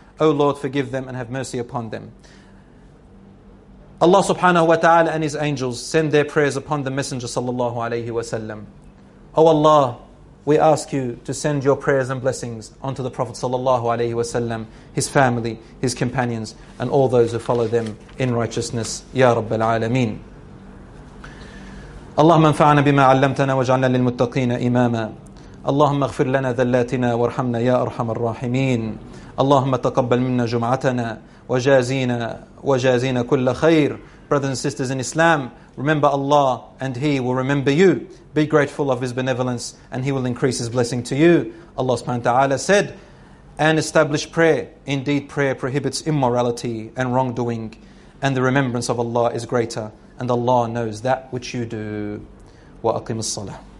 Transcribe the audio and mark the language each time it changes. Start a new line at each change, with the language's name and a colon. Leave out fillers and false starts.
English: O Lord, forgive them and have mercy upon them. Allah subhanahu wa ta'ala and His angels send their prayers upon the Messenger sallallahu alayhi wa sallam. O Allah, we ask you to send your prayers and blessings onto the Prophet sallallahu alayhi wa sallam, his family, his companions, and all those who follow them in righteousness. Ya Rabbal Alameen.
Arabic: اللهم انفعنا بما علمتنا واجعلنا للمتقين إماما اللهم اغفر لنا ذلاتنا وارحمنا يا أرحم الراحمين اللهم تقبل منا جمعتنا وجازينا كل خير.
English: Brothers and sisters in Islam, remember Allah and He will remember you. Be grateful of His benevolence and He will increase His blessing to you. Allah subhanahu wa ta'ala said, and establish prayer. Indeed, prayer prohibits immorality and wrongdoing, and the remembrance of Allah is greater. And Allah knows that which you do. Wa aqim as-salah.